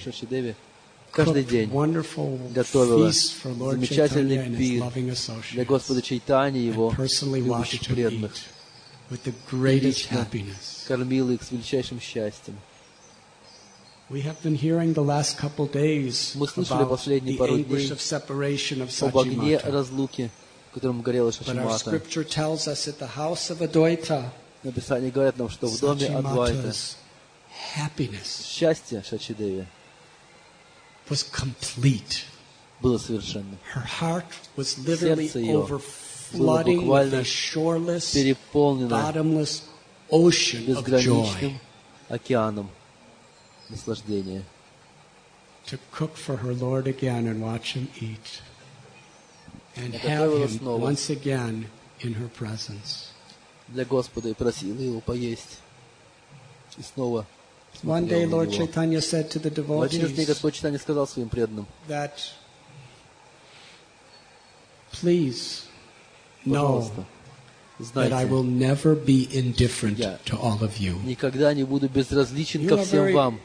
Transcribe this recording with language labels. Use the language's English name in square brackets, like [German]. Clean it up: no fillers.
[Russian] Сачи Деви каждый день готовила замечательный пир для Господа Чайтани и его любящих преданных. [English] With the greatest happiness. [Russian] Кормил их с величайшим счастьем. [English] We have been hearing the last couple days about the anguish of separation of Sachimata. But our scripture tells us that the house of Advaita, Sachimata's happiness, [Russian] счастье Сачидеви, [English] was complete. [Russian] Было совершенно. [English] Her heart was literally overflowing with a shoreless, bottomless ocean of joy. [Russian] Океаном наслаждение. [English] To cook for her Lord again and watch him eat, and have him once again in her presence. [Russian] Для Господа и просила его поесть и снова. [English] One day, Lord Chaitanya said to the devotees. [Russian] Господь Чайтанья сказал своим преданным. [English] That, please, know that I will never be indifferent to all of you. [Russian] Никогда не буду безразличен ко всем вам.